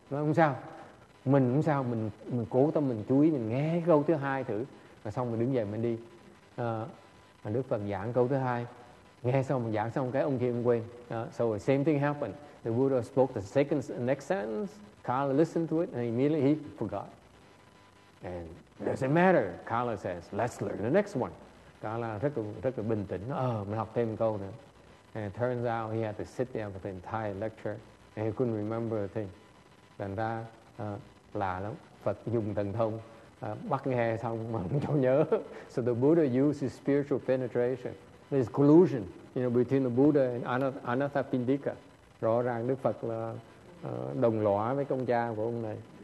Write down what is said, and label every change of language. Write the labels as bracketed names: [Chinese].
[Vietnamese] Nói không sao, mình không sao, mình cố tâm, mình chú ý, mình nghe cái câu thứ hai thử, và xong mình đứng dậy mình đi. Mà Đức Phật giảng câu thứ hai, nghe xong mình giảng xong cái ông kia ông quên. [English] So the same thing happened. The Buddha spoke the next sentence. Kala listened to it and immediately he forgot. And doesn't matter. Kala says, "Let's learn the next one." [Vietnamese] Kala rất là bình tĩnh. Mình học thêm câu nữa. And it turns out he had to sit there for the entire lecture. And he couldn't remember a thing. Thành ra lạ lắm. Phật dùng thần thông bắt nghe xong mà không cho nhớ. [English] So the Buddha used his spiritual penetration. There's collusion, you know, between the Buddha and Anathapindika. [Vietnamese] Rõ ràng Đức Phật là đồng lõa với công cha của ông này.